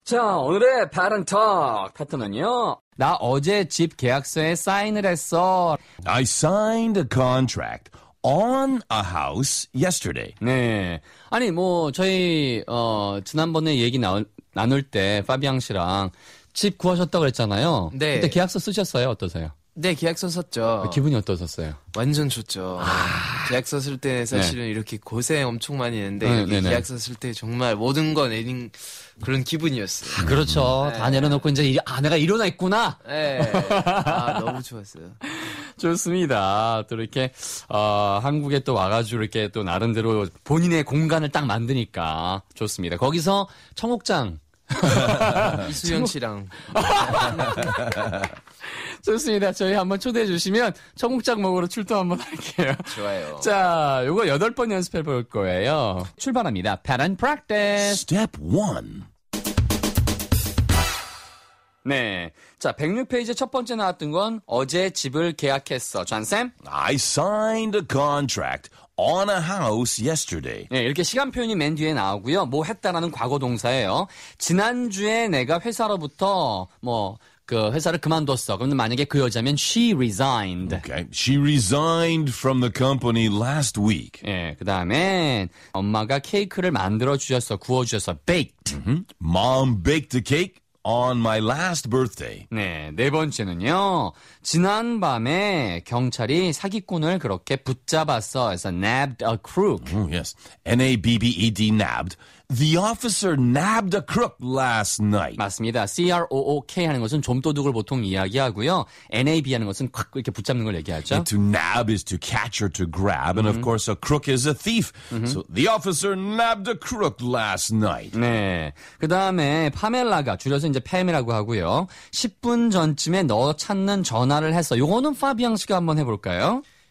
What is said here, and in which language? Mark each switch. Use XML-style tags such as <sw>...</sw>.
<ko>자, 오늘의 Parent Talk 파트너는요. 나 어제 집 계약서에 사인을 했어.</ko> <en>I signed a contract on a house yesterday.</en> <ko>네. 아니, 뭐 저희 지난번에 얘기 나눌 때 파비앙 씨랑 집 구하셨다고 그랬잖아요. 네. 그때 계약서 쓰셨어요? 어떠세요? 네, 계약서 썼죠. 기분이 어떠셨어요? 완전 좋죠. 계약서 쓸 때 사실은 네. 이렇게 고생 엄청 많이 했는데 이렇게 네. 계약서 쓸 때 정말 모든 거 내린 그런 기분이었어요. 아, 그렇죠. 네. 다 내려놓고 이제 아내가 일어나 있구나. 네. 아, 너무 좋았어요. 좋습니다. 또 이렇게 한국에 또 와가지고 이렇게 또 나름대로 본인의 공간을 딱 만드니까 좋습니다. 거기서 청옥장 이수연 씨랑 좋습니다. 저희 한번 초대해 주시면 청국장 먹으러 출동 한번 할게요. 좋아요. 자, 요거 8번 연습해 볼 거예요. 출발합니다.</ko> <en>Pattern practice. Step 1.</en> <ko>네. 자, 106페이지 첫 번째 나왔던 건 어제 집을 계약했어. 전쌤.</ko> <en>I signed a contract on a house yesterday.</en> <ko>네, 이렇게 시간 표현이 맨 뒤에 나오고요. 뭐 했다라는 과거 동사예요. 지난주에 내가 회사로부터 뭐 그 회사를 그만뒀어. 그럼 만약에 그 여자면</ko> <en>she resigned. Okay. She resigned from the company last week.</en> <ko>예. 그다음에 엄마가 케이크를 만들어 주셨어. 구워 주셔서 baked. Mm-hmm.</ko> <en>Mom baked a cake on my last birthday.</en> <ko>네. 네 번째는요. 지난 밤에 경찰이 사기꾼을 그렇게 붙잡았어.</ko> <en>그래서 nabbed a crook. Oh, yes. N-A-B-B-E-D, nabbed. The officer nabbed a crook last night.</en> <ko>맞습니다. C-R-O-O-K 하는 것은 좀도둑을 보통 이야기하고요. N-A-B 하는 것은 콱 이렇게 붙잡는 걸 얘기하죠.</ko> <en>And to nab is to catch or to grab. Mm-hmm. And of course, a crook is a thief. Mm-hmm. So the officer nabbed a crook last night.</en> <ko>네. 그 다음에 파멜라가, 줄여서 이제 팸이라고 하고요. 10분 전쯤에 너 찾는 전화를 했어. 요거는 파비앙 씨가 한번 해볼까요?</ko>